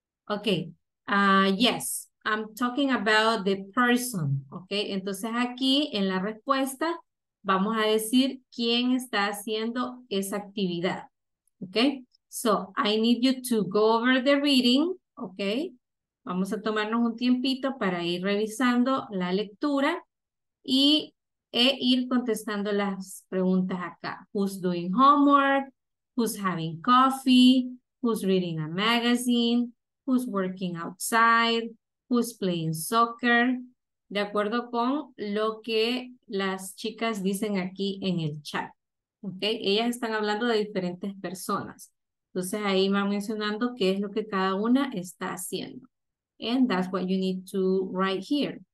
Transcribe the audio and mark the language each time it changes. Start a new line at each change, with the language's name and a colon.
English: Okay, yes, I'm talking about the person, okay?
Spanish: Entonces aquí en la respuesta vamos a decir quién está haciendo esa actividad, okay?
English: So, I need you to go over the reading, okay?
Spanish: Vamos a tomarnos un tiempito para ir revisando la lectura y ir contestando las preguntas acá.
English: Who's doing homework? Who's having coffee? Who's reading a magazine? Who's working outside, who's playing soccer,
Spanish: de acuerdo con lo que las chicas dicen aquí en el chat. ¿Okay? Ellas están hablando de diferentes personas. Entonces ahí van mencionando qué es lo que cada una está haciendo.
English: And that's what you need to write here.